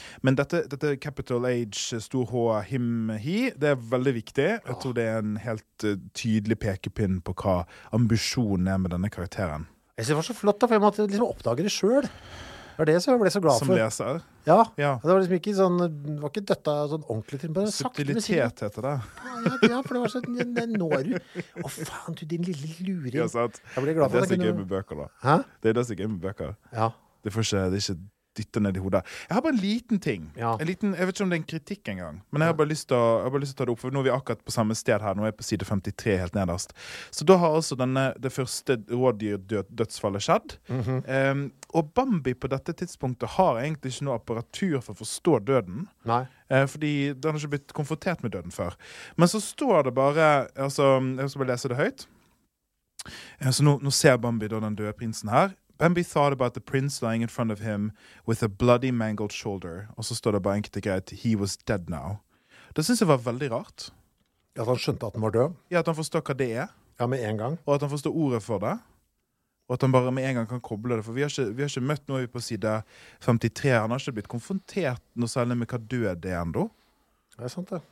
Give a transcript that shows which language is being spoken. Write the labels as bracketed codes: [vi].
[no] Men dette Capital H, stor H, him, he, det er veldig viktig. Jeg tror det er en helt tydelig pekepinn på hva ambisjonen er med denne karakteren. Jeg synes det var så flott da, for jeg måtte liksom oppdage det selv. Det var det som jeg ble så glad som for. Som leser. Ja. Ja, det var liksom ikke sånn, det var ikke døttet sånn ordentlig til, bare sagt. Subtilitet heter det. Ja, for det var sånn, det når du. Å faen, du, din lille luring. Ja, sant. Jeg ble glad for det. Det er så gøy med bøker da. Hæ? Det er så gøy med bøker. Ja. Det er ikke dytter ned I hodet. Jeg har bare en liten ting. Ja. En liten, jeg vet ikke om det en kritikk en gang. Men jeg har bare lyst til å, jeg har bare lyst til å ta det opp, for nå vi akkurat på samme sted her. Nå på side 53 helt nederst. Så da har altså denne, det første rådyrdødsfallet skjedd. Mm-hmm. Og Bambi på dette tidspunktet har egentlig ikke noe apparatur for å forstå døden. Nei. Fordi den har ikke blitt konfrontert med døden før. Men så står det bare, altså, jeg skal bare lese det høyt. Så nå ser Bambi da den døde prinsen her. [en] Bambi thought about the prince lying in front of him with a bloody mangled shoulder. [no] Og så står det bare enkelt og greit, [en] he was dead now. [no] Det synes jeg var veldig rart. Ja, at han skjønte at han var død. Ja, at han forstår hva det er. Ja, med en gang. Og at han forstår ordet for det. Og at han bare med en gang kan koble det. For vi har ikke møtt noe på side 53. Han har ikke blitt konfrontert noe særlig med hva død er enda. Det sant det.